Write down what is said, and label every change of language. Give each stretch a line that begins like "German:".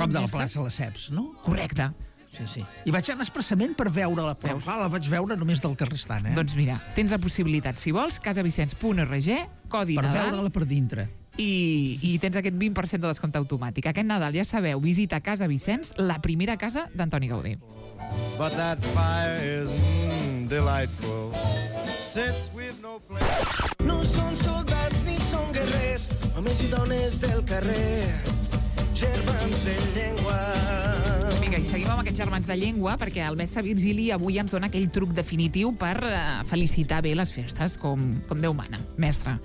Catalan: A prop de la plaça Lesseps, no? Correcte. Sí, sí. I vaig anar expressament per veure-la, però la vaig veure només del carrer estant, eh? Doncs mira, tens la possibilitat, si vols, casavicenç.org, codi per Nadal... Per veure-la per dintre. I tens aquest 20% de descompte automàtic. Aquest Nadal, ja sabeu, visita Casa Vicenç, la primera casa d'Antoni Gaudí.
English: But that fire is delightful. Since we've no place...
Catalan: No són soldats ni són guerrers, homes i dones del carrer, germans de llengua. Vinga, i seguim amb aquests germans de llengua, perquè el mestre Virgili avui ens dona aquell truc definitiu per felicitar bé les festes, com Déu mana, mestre.